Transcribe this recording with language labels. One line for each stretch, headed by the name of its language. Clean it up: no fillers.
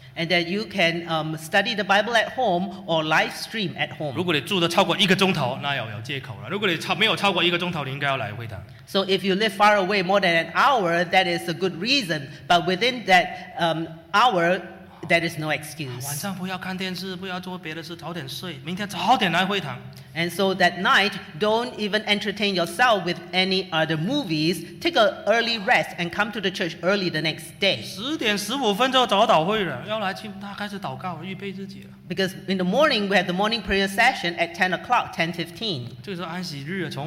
English: And that you can study the Bible at home or live stream at home.
Chinese: 如果你住得超过一个钟头，那有借口了。如果你没有超过一个钟头，你应该要来会堂。
English: So if you live far away more than an hour, that is a good reason. But within that hour, that is no excuse.
Chinese: 晚上不要看电视，不要做别的事，早点睡，明天早点来会堂。
English: And so that night, don't even entertain yourself with any other movies. Take an early rest and come to the church early the next day.
Chinese: 10:15就要找祷会了，要来去，他开始祷告，预备自己了。
English: Because in the morning, we have the morning prayer session at 10 o'clock, 10:15.